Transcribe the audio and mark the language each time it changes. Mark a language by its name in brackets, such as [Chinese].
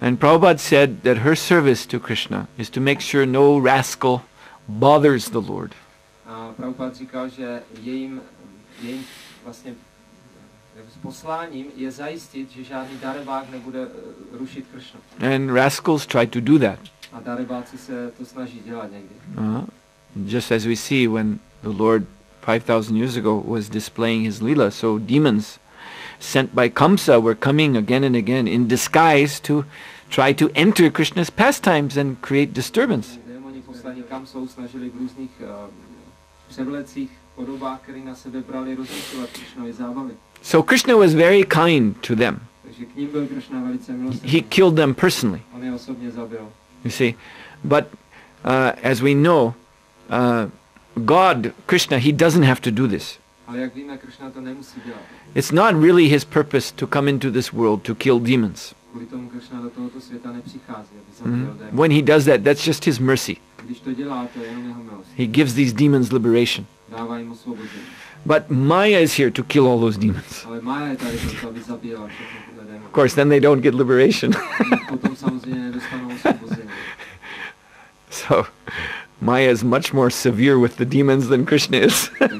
[English] And Prabhupada said that her service to Krishna is to make sure no rascal bothers the Lord. [Czech] Prabhupada říkal, že jejím vlastně posláním je zajistit, že žádný darebák nebude rušit Krishna. [English] And rascals try to do that. [Czech] A darebáci se to snaží dělat někdy. [English] Just as we see when the Lord 5,000 years ago was displaying his lila, so demons sent by Kamsa were coming again and again in disguise to try to enter Krishna's pastimes and create disturbance. [Czech] Démoni poslaní Kamsou snažili v různých převlecích podobách, které na sebe brali, rozlišovat Krishnovy zábavy. [English] So Krishna was very kind to them. [Czech] Takže k ním byl Krishna velice milostivý. [English] He killed them personally. [Czech] On je osobně zabil. [English] You see, but as we know, God, Krishna, he doesn't have to do this. [Czech] Ale jak víme, Krishna to nemusí dělat. [English] It's not really his purpose to come into this world to kill demons. [Czech] Kvůli tomu Krishna do tohoto světa nepřichází, aby zabil démony. [English] When he does that, that's just his mercy. [Czech] Když to dělá, to je jenom jeho milost. [English] He gives these demons liberation. [Czech] Dává jim osvobození. [English] But Maya is here to kill all those demons. [Czech] Ale Maya je tady, proto, aby zabila všechny démony. [English] Of course, then they don't get liberation. [Czech] Potom samozřejmě nedostanou osvobození. [English] So Maya is much more severe with the demons than Krishna is.